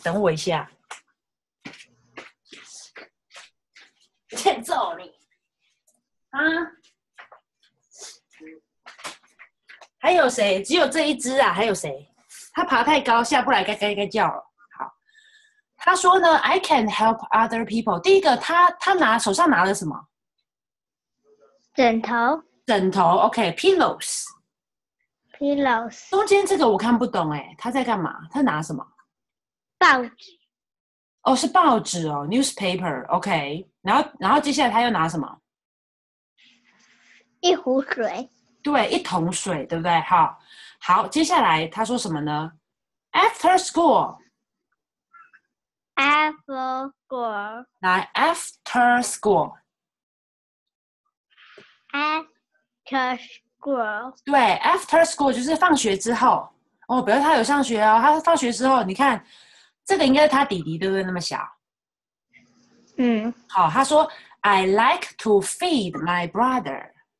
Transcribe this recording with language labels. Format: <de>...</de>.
<zh>等我一下，欠揍你啊！还有谁？只有这一只啊？还有谁？他爬太高下不来，该该该叫了。他说呢，</zh> <en>I can help other people。</en> <zh>第一个，他拿手上拿的什么？枕头。枕头，OK，pillows。</zh> <en>Pillows，</en> <zh>中间这个我看不懂哎，他在干嘛？他拿什么？报纸。哦，是报纸哦，newspaper，OK。然后接下来他又拿什么？一壶水。对，一桶水，对不对？好，接下来他说什么呢？</zh> <en>After school。 Apple girl. 来，after school。 After school.</en> <zh>对，after school 就是放学之后。哦，表示他有上学哦。他放学之后，你看，这个应该是他弟弟，对不对？那么小。好，他说，</zh> <en>I like to feed my brother。</en>